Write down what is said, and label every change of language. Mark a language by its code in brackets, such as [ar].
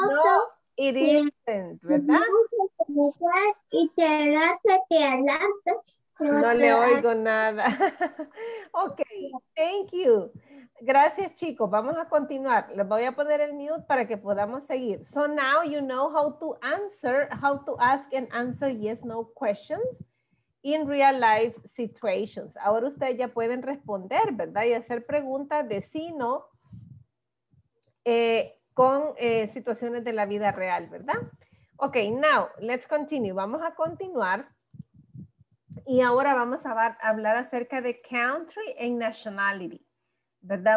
[en] no, it isn't, ¿verdad? [es] No le oigo nada. [en] Ok, thank you. [es] Gracias, chicos. Vamos a continuar. Les voy a poner el mute para que podamos seguir. [en] So now you know how to answer, how to ask and answer yes, no questions in real life situations. [es] Ahora ustedes ya pueden responder, ¿verdad? Y hacer preguntas de sí, no, con situaciones de la vida real, ¿verdad? [en] Ok, now let's continue. [es] Vamos a continuar. Y ahora vamos a hablar acerca de [en] country and nationality. [es] ¿Verdad?